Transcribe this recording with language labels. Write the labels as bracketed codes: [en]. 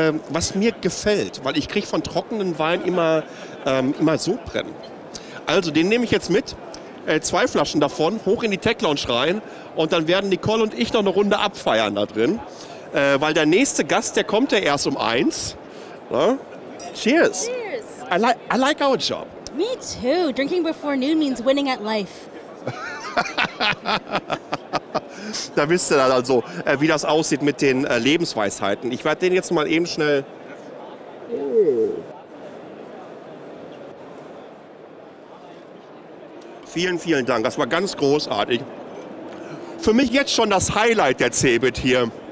[de] Was mir gefällt, weil ich kriege von trockenen Weinen immer Sodbrennen. Also, den nehme ich jetzt mit. Zwei Flaschen davon, hoch in die Tech-Lounge rein. Und dann werden Nicole und ich noch eine Runde abfeiern da drin. Weil der nächste Gast, der kommt ja erst um eins. Ne? Cheers. [en] Cheers. I like our job. Me too. Drinking before noon means winning at life. [de] Da wisst ihr dann also, wie das aussieht mit den Lebensweisheiten. Ich werde den jetzt mal eben schnell... Vielen, vielen Dank. Das war ganz großartig. Für mich jetzt schon das Highlight der CeBIT hier.